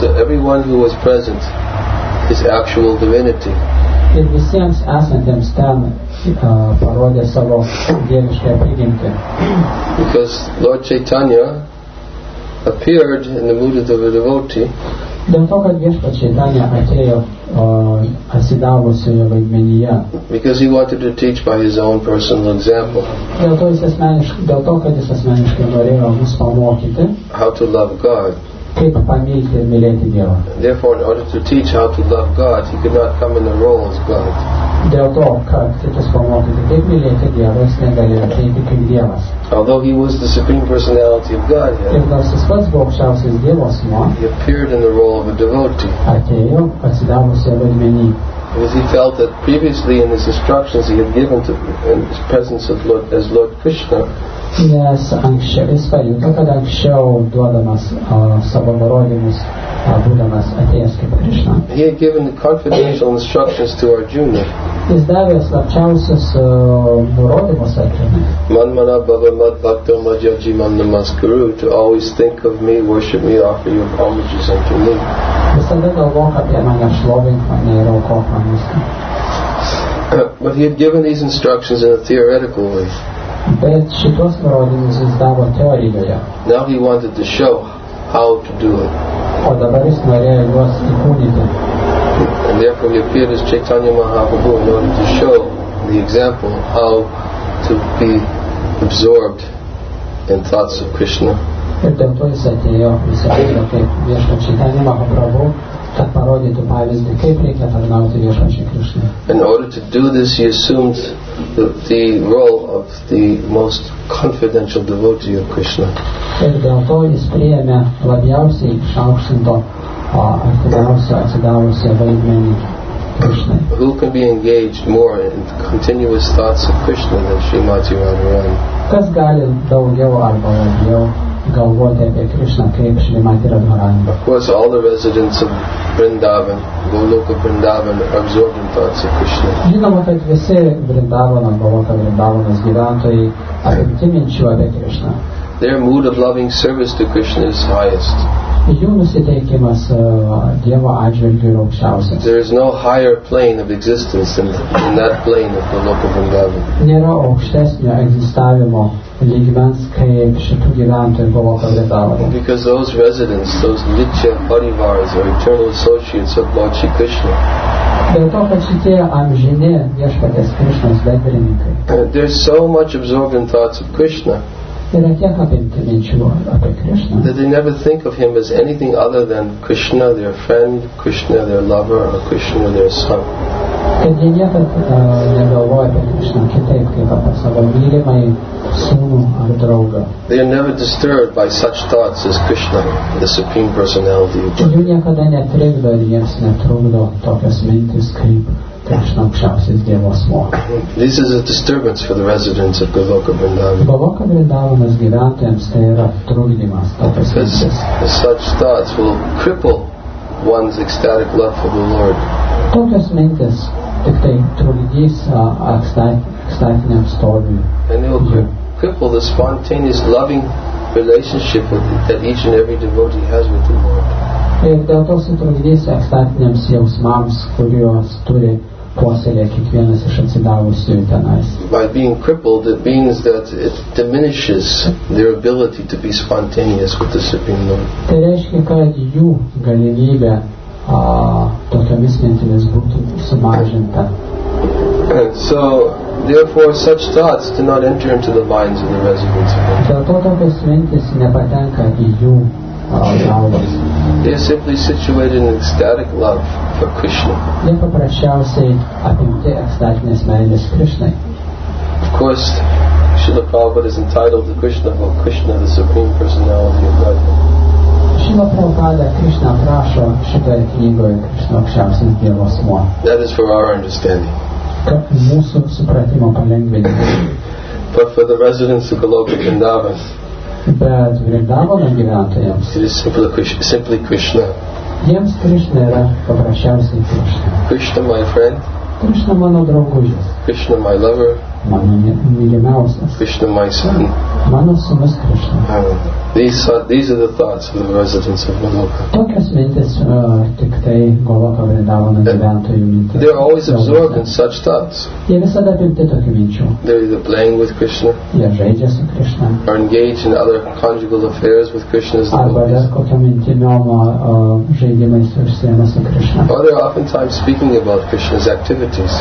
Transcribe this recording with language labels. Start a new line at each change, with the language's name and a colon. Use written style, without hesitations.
English: to everyone who was present his actual divinity.
Lithuanian: Ir visiems esantiems ten parodė savo dievišką prigimtį.
English: Because Lord Chaitanya appeared in the mood of a devotee.
Lithuanian: Dėl to, kad viešpats Chaitanya atėjo atsidavusiojo vaidmenyje.
English: Because he wanted to teach by his own personal example.
Lithuanian: Dėl to, kad jis asmeniškai norėjo mus pamokyti.
English: How to love God.
Lithuanian: Kaip pamilti ir mylėti Dievą.
English: Therefore, in order to teach how to love God, he could not come in the role as God.
Lithuanian: Dėl to, kad kitas pamokyti, kaip mylėti Dievą, jis negalėjo ateiti kaip Dievas.
English: Although he was the Supreme Personality of God,
Lithuanian: ir nors jis pats buvo aukščiausias Dievo asmuo,
English: he appeared in the role of a devotee.
Lithuanian: Atėjo atsidavusio vaidmenį.
English: Because he felt that previously in his instructions he had given to in his presence of Lord as Lord Krishna. Yes,
Lithuanian: anksčiau jis pajuto, kad anksčiau duodamas savo nurodymus, būdamas atėjęs kaip Krishna.
English: He had given the confidential instructions to Arjuna.
Lithuanian: Jis davė slapčiausius nurodymus Arjunai.
Sanskrit: Manmana bhava mad bhakto majaji man namaskuru,
English: to always think of me, worship me, offer your homages unto me.
Lithuanian: Visada galvok apie mane, šlovink mane ir aukok man viską.
English: But he had given these instructions in a theoretical way.
Lithuanian: Bet šitos nurodymus jis davo teorijoje.
English: Now he wanted to show how to do it.
Lithuanian: O dabar jis norėjo juos įkūnyti.
English: And therefore he appeared as Chaitanya Mahaprabhu in order to show the example of how to be absorbed in thoughts of Krishna.
Lithuanian: Ir dėl to jis atėjo įsikūrė kaip viešpats Chaitanya Mahaprabhu, kad parodytų pavyzdį, kaip reikia tarnauti viešpačiui Krishnai.
English: In order to do this he assumed the role of the most confidential devotee of Krishna.
Lithuanian: Ir dėl to jis priėmė labiausiai išaukštinto atsidavusio vaidmenį Krishnai.
English: Who can be engaged more in continuous thoughts of Krishna than Srimati Radharani?
Lithuanian: Kas gali daugiau arba labiau galvoti apie Krishna kaip Šrimati Radharani.
English: Of course, all the residents of Vrindavan, the local of Vrindavan, absorbed in thoughts of Krishna.
Lithuanian: Žinoma, kad visi Vrindavano, galvoti Vrindavanas gyventojai apimti minčių apie Krishna.
English: Their mood of loving service to Krishna is highest.
Lithuanian: Jų nusiteikimas Dievo atžvilgiu yra aukščiausias.
English: There is no higher plane of existence than that plane of the local Vrindavan.
Lithuanian: Nėra aukštesnio egzistavimo lygmens kaip šitų gyventojų Govoka Vrindavan.
English: Because those residents, those Nitya Parivaras, are eternal associates of Lord Shri Krishna.
Lithuanian: Dėl to, kad šitie amžini viešpaties Krishnos bendrininkai.
English: There is so much absorbed in thoughts of Krishna.
Lithuanian: Yra tiek apimti minčių apie Krishna.
English: That they never think of him as anything other than Krishna, their friend, Krishna, their lover, or Krishna, their son.
Lithuanian: Kad jie niekad negalvoja apie Krishna kitaip, kaip apie savo mylimąjį sūnų ar draugą.
English: They are never disturbed by such thoughts as Krishna, the Supreme Personality.
Lithuanian: Jų niekada netrikdo ir jiems netrukdo tokias mintis kaip
English: This is a disturbance for the residents of Govoka Vrindavan.
Lithuanian: Govoka Vrindavanas gyventojams tai yra trukdymas.
English: Because such thoughts will cripple one's ecstatic love for the Lord.
Lithuanian: Tokios mintis tik tai trukdys ekstatiniam stovui.
English: And it will cripple the spontaneous loving relationship that each and every devotee has with the Lord.
Lithuanian: Ir dėl to sutrukdys ekstatiniams jausmams, kuriuos turi puoselė kiekvienas iš atsidavusių tenais.
English: By being crippled, it means that it diminishes their ability to be spontaneous with the Supreme Lord.
Lithuanian: Tai reiškia, kad jų galimybė tokiomis mintimis būtų sumažinta.
English: So, therefore, such thoughts do not enter into the minds of the residents.
Lithuanian: Dėl to tokios mintis nepatenka į jų
English: They are simply situated in ecstatic love for Krishna. Of course, Srila Prabhupada is entitled to Krishna book, Krishna, the Supreme Personality of God.
Lithuanian: Srila Prabhupada Krishna prašo šitoje knygoje Krishna aukščiausias Dievo asmuo.
English: That is for our understanding.
Lithuanian: Kad mūsų supratimo palengvinti.
English: But for the residents of Goloka Vrindavan,
Lithuanian: Bet Vrindavano gyventojams
English: It is simply Krishna.
Lithuanian: Jiems Krishna yra paprasčiausiai Krishna.
English: Krishna, my friend.
Lithuanian: Krishna, mano draugužis.
English: Krishna, my lover.
Lithuanian: Mano mylimiausias.
English: Krishna, my son.
Lithuanian: Mano sūnus Krishna.
English: These are the thoughts of the residents of Goloka.
Lithuanian: Tokios mintis tik tai Goloka Vrindavano gyventojų mintis.
English: They are always absorbed in such thoughts.
Lithuanian: Jie visada apimti tokių minčių.
English: They are playing with Krishna.
Lithuanian: Jie žaidžia su Krishna.
English: Are engaged in other conjugal affairs with Krishna.
Lithuanian: Arba dar kokiam intimiom žaidimais užsiėmę su Krishna.
English: Or they are oftentimes speaking about Krishna's activities.